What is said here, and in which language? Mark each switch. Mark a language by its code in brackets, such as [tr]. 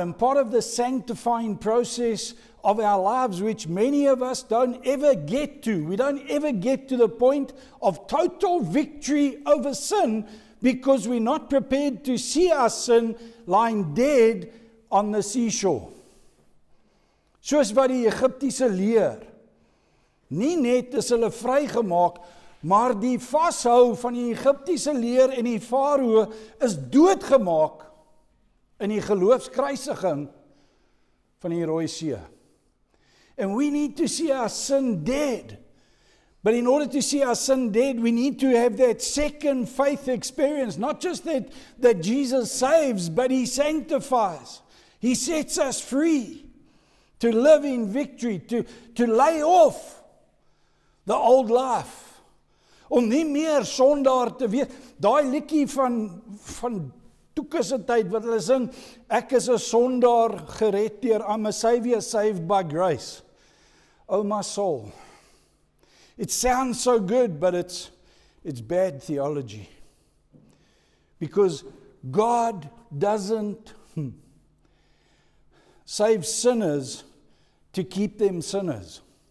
[en] And part of the sanctifying process of our lives, which many of us don't ever get to, we don't ever get to the point of total victory over sin because we're not prepared to see our sin lying dead on the seashore. [af] Soos wat die Egiptiese leer, nie net is hulle vrygemaak, maar die vashou van die Egiptiese leer en die farao is doodgemaak in die geloofskruisiging van die Rooi See. [en] And we need to see our sin dead. But in order to see our sin dead, we need to have that second faith experience. Not just that Jesus saves, but he sanctifies. He sets us free to live in victory, to lay off the old life. [af] Om nie meer sondaar te wees. Daai liedjie van toekussentyd wat hulle sing, ek is 'n sondaar gered deur, [en] I'm a savior saved by grace. Oh my soul. It sounds so good, but it's bad theology. Because God doesn't save sinners to keep them sinners.